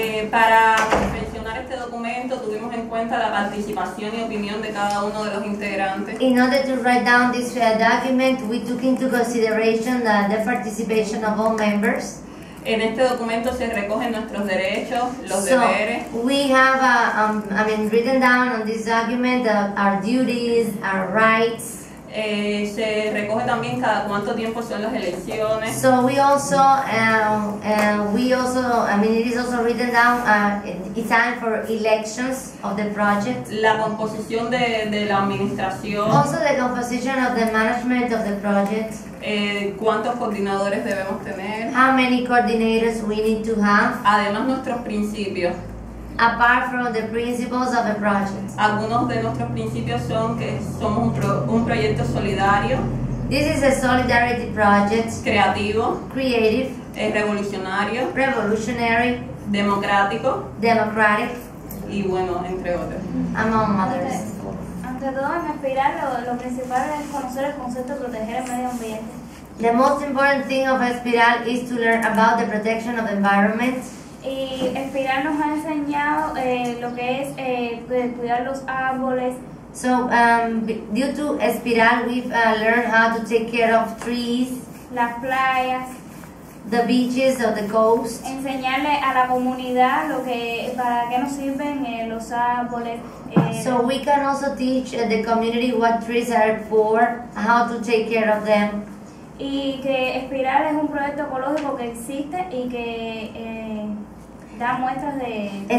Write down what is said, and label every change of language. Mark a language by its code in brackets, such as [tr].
[es] Para confeccionar este documento tuvimos en cuenta la participación y opinión de cada uno de los integrantes. [en] In order to write down this document, we took into consideration the participation of all members. [es] En este documento se recogen nuestros derechos, los so deberes. [en] So we have written down on this document our duties, our rights. [es] Se recoge también cada cuánto tiempo son las elecciones. [en] So we also it is also written down it's time for elections of the project. [es] La composición de la administración. [en] Also the composition of the management of the project. [es] ¿Cuántos coordinadores debemos tener? [en] How many coordinators we need to have? [es] Además nuestros principios. [en] Apart from the principles of a project. [es] Algunos de nuestros principios son que somos un proyecto solidario. [en] This is a solidarity project. [es] Creativo. [en] Creative. [es] Revolucionario. [en] Revolutionary. [es] Democrático. [en] Democratic. [es] Y bueno, entre otros. [en] Among others. [es] Ante todo, en Espiral, lo principal es conocer el concepto de proteger el medio ambiente. [en] The most important thing of Espiral is to learn about the protection of the environment. [es] Y Espiral nos ha enseñado lo que es cuidar los árboles. [en] So, due to Espiral, we've learned how to take care of trees. [es] Las playas. [en] the beaches of the coast. [es] Enseñarle a la comunidad lo que para qué nos sirven los árboles. [en] So we can also teach the community what trees are for, how to take care of them. [es] Y que Espiral es un proyecto ecológico que existe y que da muestras de.